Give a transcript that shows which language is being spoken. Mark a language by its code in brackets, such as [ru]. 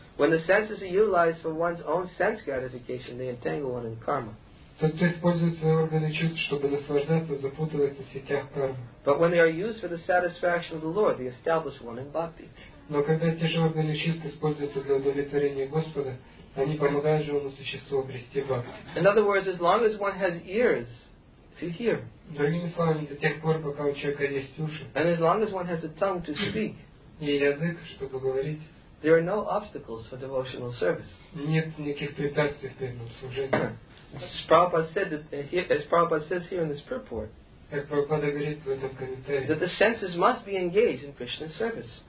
[en] When the senses are utilized for one's own sense gratification, they entangle one in karma. [ru] Тот, кто использует свои органы чувств, чтобы наслаждаться, запутывается в сетях кармы. [en] But when they are used for the satisfaction of the Lord, the established one in bhakti. [ru] Но когда те же органы чувств используются для удовлетворения Господа, они помогают живому существу обрести бхакти. [en] In other words, as long as one has ears to hear. [ru] Другими словами, до тех пор, пока у человека есть уши. [en] And as long as one has a tongue to speak. [ru] И язык, чтобы говорить. [en] There are no obstacles for devotional service. [ru] Нет никаких препятствий в перед служении. [en] As Prabhupada says here in this purport, that the senses must be engaged in Krishna's service.